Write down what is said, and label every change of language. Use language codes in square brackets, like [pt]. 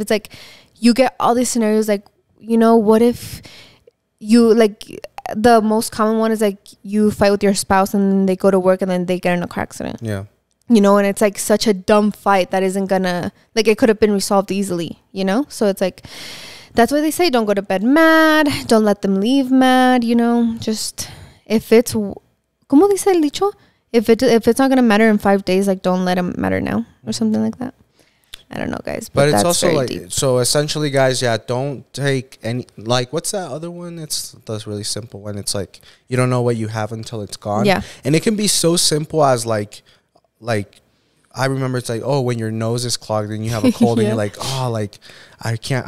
[en] It's like you get all these scenarios, like, you know, what if you, like, the most common one is like you fight with your spouse and then they go to work and then they get in a car accident. You know, and it's like such a dumb fight that isn't gonna, like, it could have been resolved easily, you know? So it's like, that's why they say don't go to bed mad, don't let them leave mad, you know? Just, if it's, [es] ¿cómo dice el dicho? [en] If it's not gonna matter in 5 days, like, don't let it matter now or something like that. I don't know, guys. But it's also like, so essentially, guys, yeah, don't take any, like, what's that other one? It's the really simple one. It's like, you don't know what you have until it's gone. Yeah. And it can be so simple as, like, I remember it's like, oh, when your nose is clogged and you have a cold and you're like, oh, like, I can't.